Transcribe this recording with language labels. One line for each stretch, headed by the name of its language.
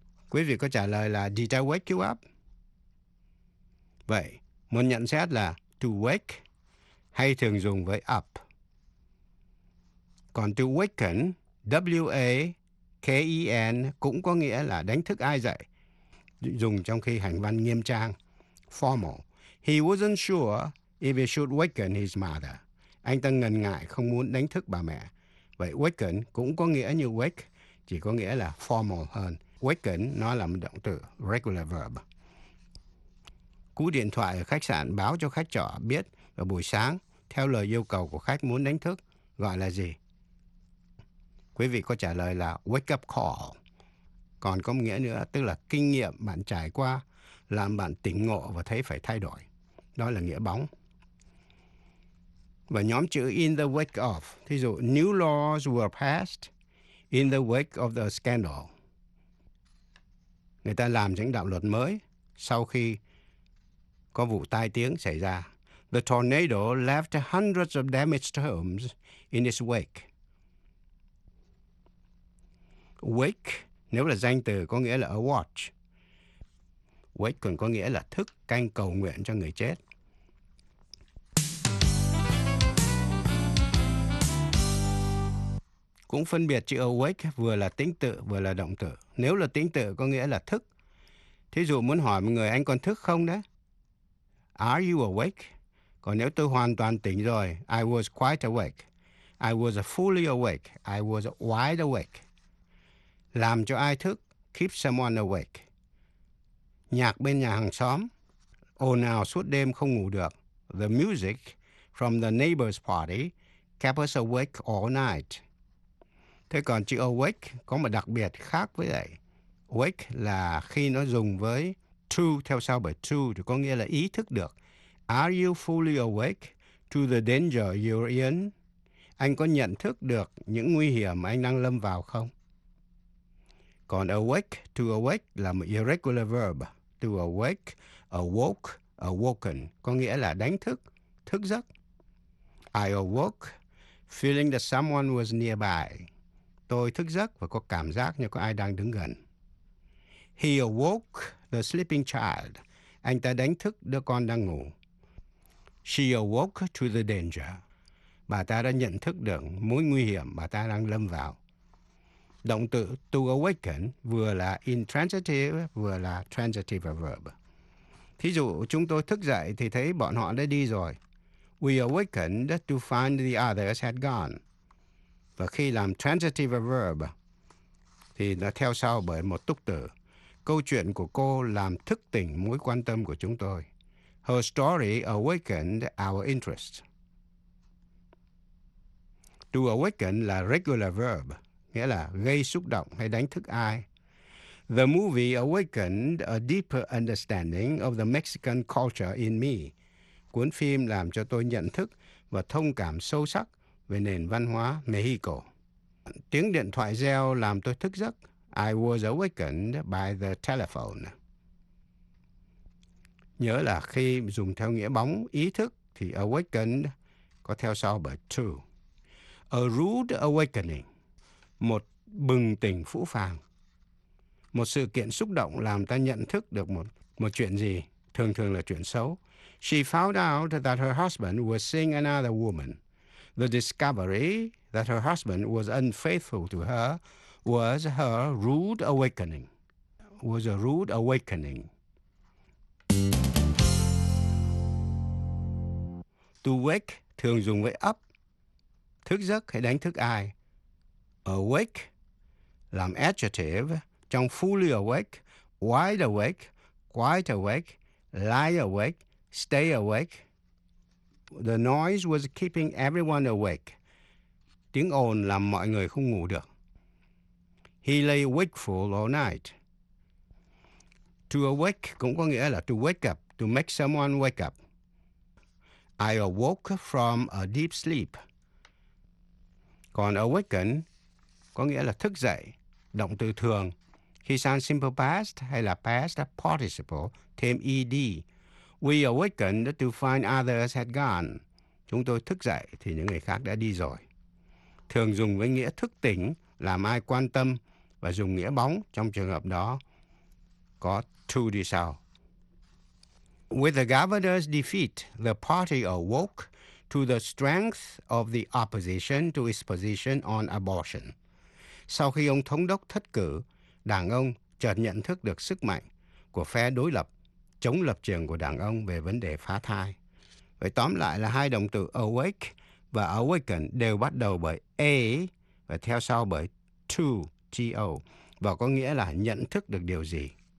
Vietnamese: Quý vị có trả lời là
English: did I wake you up?
Vietnamese: Vậy, một nhận xét là to wake hay thường dùng với up. Còn to waken, W-A-K-E-N cũng có nghĩa là đánh thức ai dậy. Dùng trong khi hành văn nghiêm trang, formal.
English: He wasn't sure if he should waken his mother.
Vietnamese: Anh ta ngần ngại không muốn đánh thức bà mẹ. Vậy waken cũng có nghĩa như wake, chỉ có nghĩa là formal hơn. Waken nó là một động từ, regular verb. Cú điện thoại ở khách sạn báo cho khách trọ biết vào buổi sáng, theo lời yêu cầu của khách muốn đánh thức, gọi là gì? Quý vị có trả lời là wake up call. Còn có nghĩa nữa, tức là kinh nghiệm bạn trải qua làm bạn tỉnh ngộ và thấy phải thay đổi. Đó là nghĩa bóng. Và nhóm chữ
English: in the wake of,
Vietnamese: thí dụ
English: new laws were passed in the wake of the scandal.
Vietnamese: Người ta làm những đạo luật mới sau khi có vụ tai tiếng xảy ra.
English: The tornado left hundreds of damaged homes in its wake.
Vietnamese: Wake, nếu là danh từ có nghĩa là a watch. Wake còn có nghĩa là thức, canh cầu nguyện cho người chết. Cũng phân biệt chữ awake vừa là tính tự vừa là động từ. Nếu là tính tự có nghĩa là thức. Thí dụ muốn hỏi một người anh còn thức không đấy?
English: Are you awake?
Vietnamese: Còn nếu tôi hoàn toàn tỉnh rồi,
English: I was quite awake. I was fully awake. I was wide awake.
Vietnamese: Làm cho ai thức,
English: keep someone awake.
Vietnamese: Nhạc bên nhà hàng xóm, ồn ào suốt đêm không ngủ được.
English: The music from the neighbor's party kept us awake all night.
Vietnamese: Thế còn chữ awake có một đặc biệt khác với vậy. Wake là khi nó dùng với to, theo sau bởi to thì có nghĩa là ý thức được.
English: Are you fully awake to the danger you're in?
Vietnamese: Anh có nhận thức được những nguy hiểm anh đang lâm vào không? Còn awake, to awake là một irregular verb. To awake, awoke, awoken, có nghĩa là đánh thức, thức giấc.
English: I awoke Feeling that someone was nearby.
Vietnamese: Tôi thức giấc và có cảm giác như có ai đang đứng gần.
English: He awoke the sleeping child.
Vietnamese: Anh ta đánh thức đứa con đang ngủ.
English: She awoke to the danger.
Vietnamese: Bà ta đã nhận thức được mối nguy hiểm bà ta đang lâm vào. Động từ to awaken vừa là intransitive vừa là transitive verb. Thí dụ, chúng tôi thức dậy thì thấy bọn họ đã đi rồi.
English: We awakened to find the others had gone.
Vietnamese: Và khi làm transitive verb, thì nó theo sau bởi một túc từ. Câu chuyện của cô làm thức tỉnh mối quan tâm của chúng tôi.
English: Her story awakened our interest.
Vietnamese: To awaken là regular verb, nghĩa là gây xúc động hay đánh thức ai.
English: The movie awakened a deeper understanding of the Mexican culture in me.
Vietnamese: Cuốn phim làm cho tôi nhận thức và thông cảm sâu sắc về nền văn hóa Mexico. Tiếng điện thoại reo làm tôi thức giấc.
English: I was awakened by the telephone.
Vietnamese: Nhớ là khi dùng theo nghĩa bóng ý thức thì awakened có theo sau bởi to.
English: A rude awakening,
Vietnamese: một bừng tỉnh phũ phàng. Một sự kiện xúc động làm ta nhận thức được một chuyện gì, thường thường là chuyện xấu.
English: She found out that her husband was seeing another woman. The discovery that her husband was unfaithful to her was her rude awakening. Was a rude awakening.
Vietnamese: To wake thường dùng với up, thức giấc hay đánh thức ai.
English: Awake làm adjective trong fully awake, wide awake, quite awake, lie awake, stay awake. The noise was keeping everyone awake.
Vietnamese: Tiếng ồn làm mọi người không ngủ được.
English: He lay wakeful all night. To awake
Vietnamese: cũng có nghĩa là
English: to wake up, to make someone wake up. I awoke from a deep sleep.
Vietnamese: Còn awaken có nghĩa là thức dậy, động từ thường. Khi sang simple past hay là past participle, thêm ed.
English: We awakened to find others had gone.
Vietnamese: Chúng tôi thức dậy thì những người khác đã đi rồi. Thường dùng với nghĩa thức tỉnh, làm ai quan tâm và dùng nghĩa bóng trong trường hợp đó. Có to đi sau.
English: With the governor's defeat, the party awoke to the strength of the opposition to its position on abortion.
Vietnamese: Sau khi ông thống đốc thất cử, đảng ông chợt nhận thức được sức mạnh của phe đối lập, chống lập trường của đảng ông về vấn đề phá thai. Vậy tóm lại là hai động từ awake và awaken đều bắt đầu bởi A và theo sau bởi to, T-O, và có nghĩa là nhận thức được điều gì.